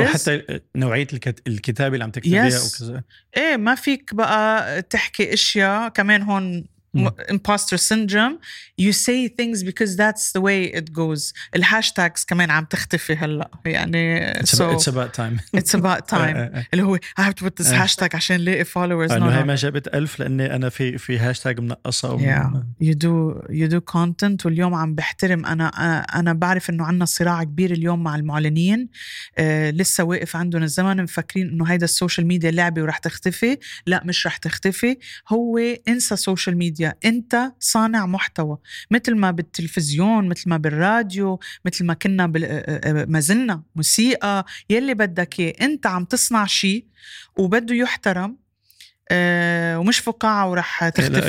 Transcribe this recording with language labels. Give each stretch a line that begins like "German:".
Arabic: حتى نوعية الكتابة اللي عم تكتبها.
English: Yes. ايه ما فيك بقى تحكي اشياء كمان هون imposter syndrome، you say things because that's the way it goes.
Arabic: الهاشتاجز كمان عم تختفي هلا، يعني
English: it's about time اللي هو I have to put this hashtag عشان لقي followers.
Arabic: انا هاي ما جابت 1000 لاني انا في هاشتاج منقصة.
English: you do content.
Arabic: واليوم عم بحترم، انا بعرف انه عنا صراع كبير اليوم مع المعلنين، لسه واقف عندهم الزمن، مفكرين انه هيدا السوشيال ميديا لعبة ورح تختفي. لا، مش رح تختفي. هو انسى سوشيال ميديا، انت صانع محتوى، مثل ما بالتلفزيون، مثل ما بالراديو، مثل ما كنا ما زلنا موسيقى، يلي بدك ايه، انت عم تصنع شيء وبده يحترم، ومش فقاعة ورح تختفي.